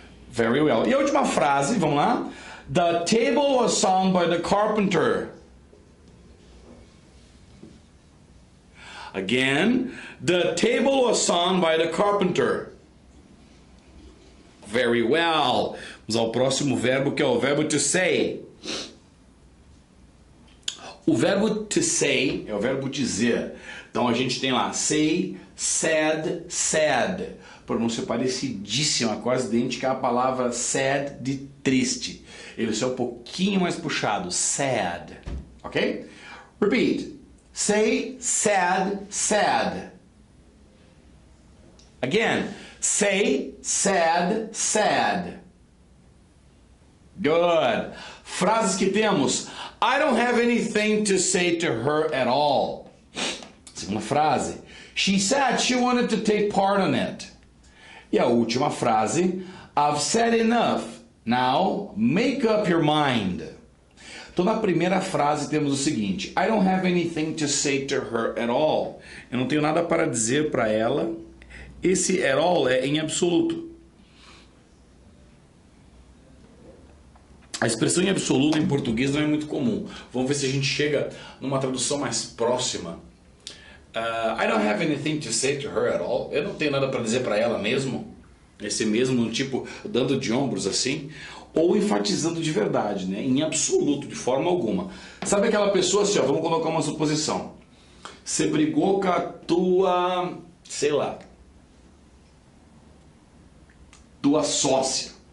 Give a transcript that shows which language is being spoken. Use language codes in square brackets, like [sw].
[en] Very well. [pt] E a última frase, vamos lá. [en] The table was on by the carpenter. Again, the table was on by the carpenter. Very well. [pt] Vamos ao próximo verbo, que é o verbo to say. O verbo to say é o verbo dizer. Então a gente tem lá, say, said, said. Pronúncia parecidíssima, quase idêntica à palavra sad, de triste. Ele só é um pouquinho mais puxado, sad. [en] Ok? Repeat. Say, said, said. Again. Say, said, said. Good. [pt] Frases que temos. [en] I don't have anything to say to her at all. [pt] Segunda frase. [en] She said she wanted to take part in it. [pt] E a última frase. [en] I've said enough. Now, make up your mind. [pt] Então, na primeira frase temos o seguinte. [en] I don't have anything to say to her at all. [pt] Eu não tenho nada para dizer para ela. Esse [en] at all [pt] é em absoluto. A expressão em absoluto em português não é muito comum. Vamos ver se a gente chega numa tradução mais próxima. [en] I don't have anything to say to her at all. [pt] Eu não tenho nada para dizer para ela mesmo. Esse mesmo, tipo, dando de ombros assim. Ou enfatizando de verdade, né? Em absoluto, de forma alguma. Sabe aquela pessoa assim, ó, vamos colocar uma suposição. Você brigou com a tua, sei lá, tua sócia.